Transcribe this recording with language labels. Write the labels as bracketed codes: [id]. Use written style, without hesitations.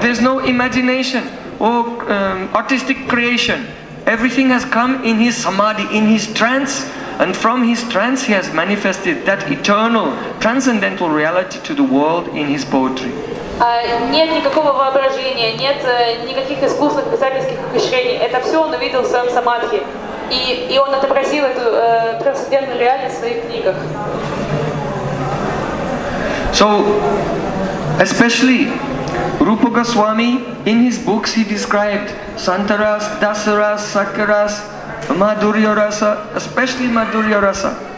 [en] There's no imagination or artistic creation. Everything has come in his samadhi, in his trance, and from his trance he has manifested that eternal, transcendental reality to the world in his poetry. [ru] Нет никакого воображения, нет никаких искусных писательских ухищрений. Это все он увидел в своем самадхи. И он отобразил эту трансцендентную реальность в своих книгах. [en] So, especially Rupa Goswami, in his books he described Santaras, Dasaras, Sakaras, Madhurya Rasa, especially Madhurya Rasa.